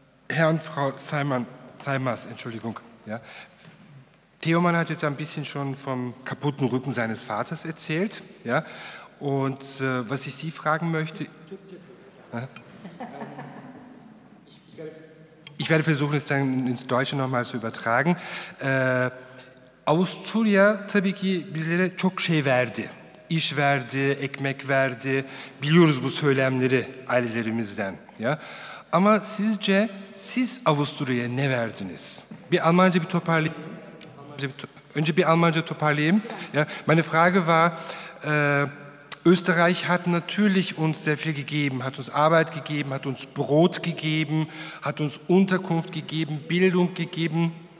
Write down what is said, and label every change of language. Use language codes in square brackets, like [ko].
[de] Herr und Frau Seimers, Entschuldigung, ja. Theoman hat jetzt ein bisschen schon vom kaputten Rücken seines Vaters erzählt. Ja? Und was ich Sie fragen möchte, ich werde versuchen, es dann ins Deutsche nochmal zu übertragen. [tr] Avusturya tabii ki bizlere çok şey verdi. İş verdi, ekmek verdi. Biliyoruz bu söylemleri ailelerimizden. Ja? Ama sizce siz Avusturya'ya ne verdiniz? Bir Almanca bir toparlayayım. Önce bir Almanca toparlayayım. [de] Ja, meine Frage war, Österreich hat natürlich uns sehr viel gegeben, hat uns Arbeit gegeben, hat uns Brot gegeben, hat uns Unterkunft gegeben, Bildung gegeben.